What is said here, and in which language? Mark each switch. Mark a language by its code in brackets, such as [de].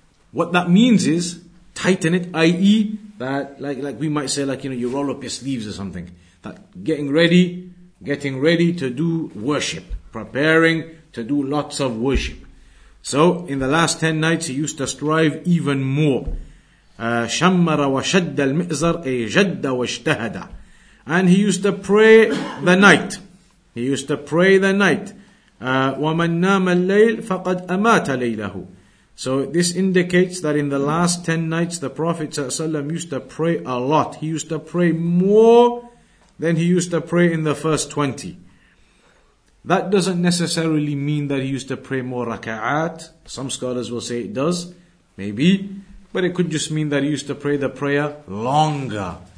[en] What that means is, tighten it, i.e. that, like we might say, like, you know, you roll up your sleeves or something. That getting ready to do worship. Preparing to do lots of worship. So in the last 10 nights, he used to strive even more. [ar] شمر وشد المئزر أي جد واجتهد. [en] And he used to pray the night. He used to pray the night. [ar] ومن نام الليل فقد أمات ليله. [en] So this indicates that in the last 10 nights, the Prophet ﷺ used to pray a lot. He used to pray more than he used to pray in the first 20. That doesn't necessarily mean that he used to pray more raka'at. Some scholars will say it does, maybe. But it could just mean that he used to pray the prayer longer.